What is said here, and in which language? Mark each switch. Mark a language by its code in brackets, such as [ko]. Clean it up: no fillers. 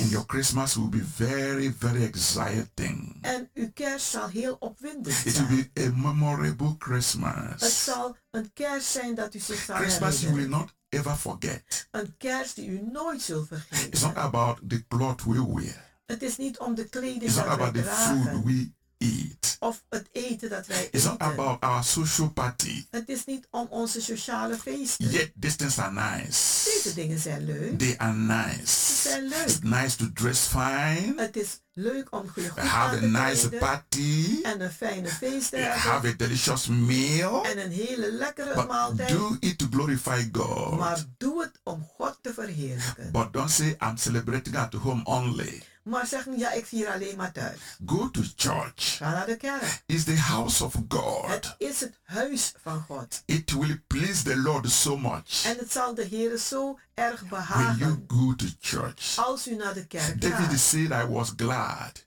[en] And your Christmas will be very, very exciting. [nl] En uw kerst zal heel opwindend zijn. [en] It will be a memorable Christmas. [nl] Het zal een kerst zijn dat u zich zal herinneren. [en] Christmas you will not ever forget. [nl] Een kerst die u nooit zult vergeten. [en] It's not about the cloth we wear. [nl] Het is niet om de kleding te dragen. [en] It's not about the food we eat. [nl] Of het eten dat wij [en] it's [nl] eten. [en] Not about our social party. [nl] Het is niet om onze sociale feesten. [en] Yet these things are nice. [nl] Deze dingen zijn leuk. [en] They are nice. [nl] Ze zijn leuk. [en] It's nice to dress fine. [nl] Het is leuk om goed aan te [en] have a nice party. [nl] En een fijne feest te hebben. [en] Have a delicious meal. [nl] En een hele lekkere [en] but [nl] maaltijd. [en] Do it to glorify God. [nl] Maar doe het om God te verheerlijken. [en] But don't say I'm celebrating at home only. [nl] Maar zeg niet, ja, ik vier alleen maar thuis. [en] Go to church. [nl] Ga naar de kerk. [en] It's the house of God. [nl] Het is het huis van God. [en] It will please the Lord so much. [nl] En het zal de Heere zo erg behagen. [en] When you go to church. [nl] Als u naar de kerk gaat. [en] David said I was glad.